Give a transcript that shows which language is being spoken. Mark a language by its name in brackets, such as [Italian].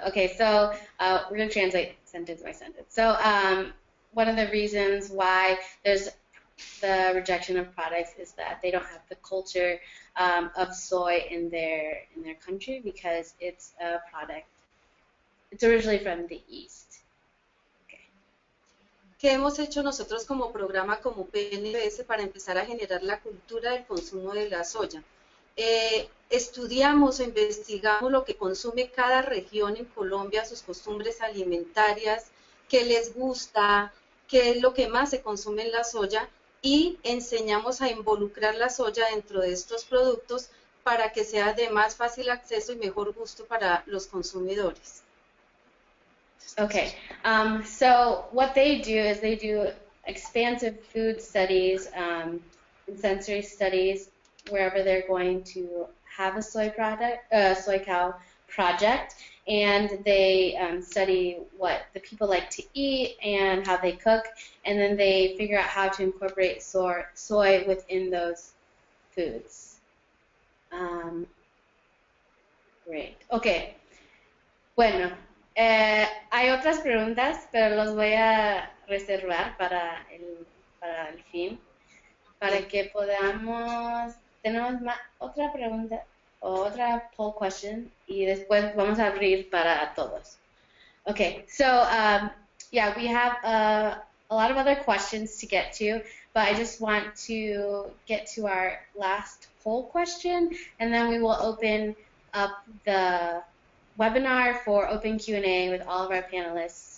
[English] Okay, so we're going to translate sentence by sentence. So one of the reasons why there's the rejection of products is that they don't have the culture of soy in their country because it's a product. It's originally from the East. Okay. [Spanish] ¿Qué hemos hecho nosotros como programa, como PNBS, para empezar a generar la cultura del consumo de la soya? Estudiamos o investigamos lo que consume cada región en Colombia, sus costumbres alimentarias, qué les gusta, qué es lo que más se consume en la soya, y enseñamos a involucrar la soya dentro de estos productos para que sea de más fácil acceso y mejor gusto para los consumidores. [English] Okay, so what they do is they do expansive food studies, sensory studies, wherever they're going to have a soy product, SoyCow project, and they study what the people like to eat and how they cook, and then they figure out how to incorporate soy within those foods. Great. Okay. [Spanish] Bueno, hay otras preguntas, pero las voy a reservar para el fin, para que podamos... Tenemos otra pregunta, otra [English] poll question, [Spanish] y después vamos a abrir para todos. [English] Okay, so, yeah, we have a lot of other questions to get to, but I just want to get to our last poll question, and then we will open up the webinar for open Q&A with all of our panelists.